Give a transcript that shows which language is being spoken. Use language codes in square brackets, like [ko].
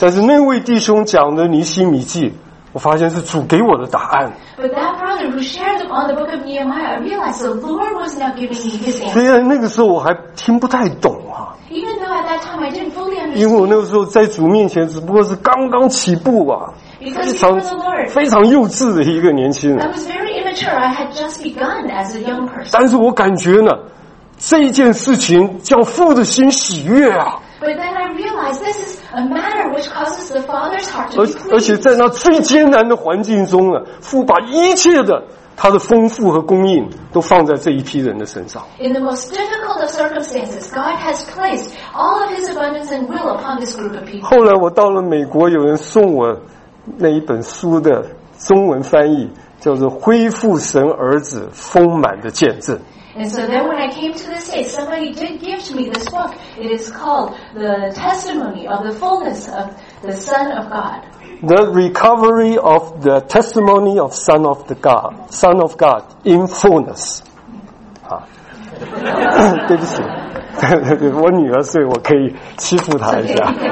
[zh] 但是那位弟兄讲的尼希米记。我发现是主给我的答案。 [en] But that brother who shared on the book of Nehemiah, I realized the Lord was now giving me his answer. [zh] 虽然那个时候我还听不太懂啊。 [en] Even though at that time I didn't fully understand. [zh] 因为我那个时候在主面前只不过是刚刚起步啊。 [en] Because even though the Lord [zh] 非常幼稚的一个年轻人。 [en] I was very immature. I had just begun as a young person. [zh] 但是我感觉呢，这一件事情叫父的心喜悦啊。 [en] But then I realized this is a matter which causes the Father's heart to be pleased. [zh] 而且在那最艰难的环境中呢，父把一切的他的丰富和供应都放在这一批人的身上。 [en] In the most difficult of circumstances, God has placed all of His abundance and will upon this group of people. [zh] 后来我到了美国，有人送我那一本书的中文翻译，叫做《恢复神儿子丰满的见证》。 [en] And so then when I came to the States, somebody did give to me this book. It is called The Testimony of the Fullness of the Son of God. The Recovery of the Testimony of Son of the God, Son of God in Fullness. [zh] 对不起，我女儿，所以我可以欺负她一下。